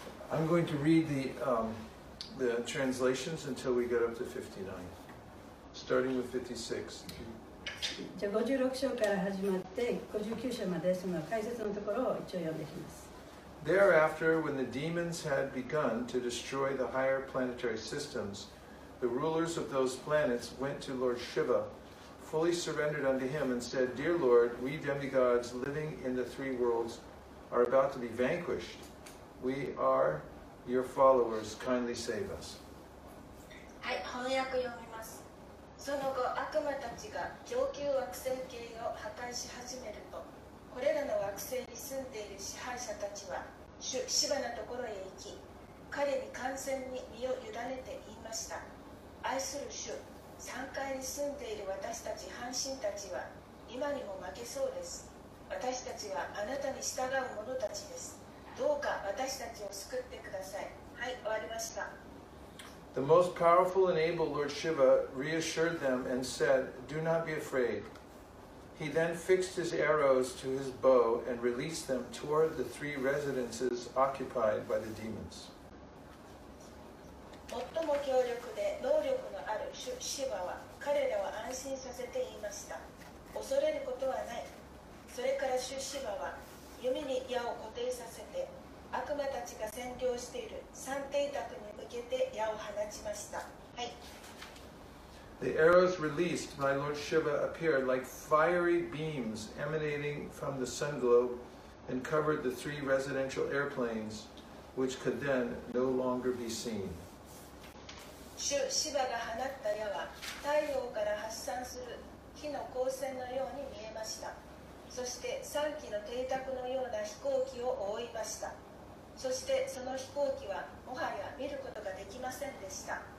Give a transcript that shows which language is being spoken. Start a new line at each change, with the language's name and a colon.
English: I'm going to read the translations until we get up to 59, starting with 56.
Japanese: じゃ、56章から始まって59章までその解説のところを一応読んでいきます。
English: Thereafter, when the demons had begun to destroy the higher planetary systems, the rulers of those planets went to Lord Shiva, fully surrendered unto him and said, Dear Lord, we demigods living in the three worlds are about to be vanquished. We are your followers. Kindly save us.
Japanese: はい、翻訳読みます。その後、悪魔たちが上級惑星系を破壊し始めると、これらの惑星に住んでいる支配者たちは、シヴァのところへ行き、彼に完全に身を委ねて言いました。愛する主、3階に住んでいる私たち半身たちは今にも負けそうです。私たちはあなたに従う者たちです。どうか私たちを救ってください。はい、終わりました。
English: The most powerful and able Lord Shiva reassured them and said, Do not be afraid. He then fixed his arrows to his bow and released them toward the three residences occupied by the demons.
Japanese: 最も強力で能力のあるシヴァは彼らを安心させて言いました。恐れることはない。それからシヴァは弓に矢を固定させて悪魔たちが占領している三邸宅に向けて矢を放ちました。はい。
English: The arrows released by Lord Shiva appeared like fiery beams emanating from the sun globe and covered the three residential airplanes which could then no longer be seen。
Japanese: 主シヴァが放った矢は太陽から発散する火の光線のように見えました。そして3機の邸宅のような飛行機を覆いました。そしてその飛行機はもはや見ることができませんでした。